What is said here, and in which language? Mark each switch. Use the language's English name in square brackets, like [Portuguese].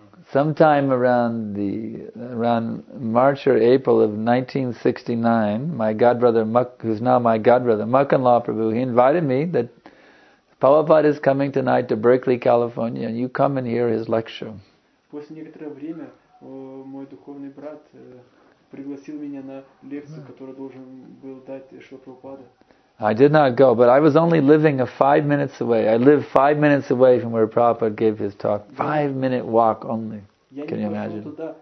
[English] Sometime around March or April of 1969, my godbrother Muk, who's now my godbrother Mukundlal Prabhu, he invited me that Prabhupada is coming tonight to Berkeley, California, and you come and hear his lecture. [Russian] После некоторое время мой духовный брат пригласил меня на лекцию, которую должен был дать Шрила Прабхупада. [English] I did not go, but I was only living 5 minutes away. I lived 5 minutes away from where Prabhupada gave his talk. 5 minute walk only. Can you imagine?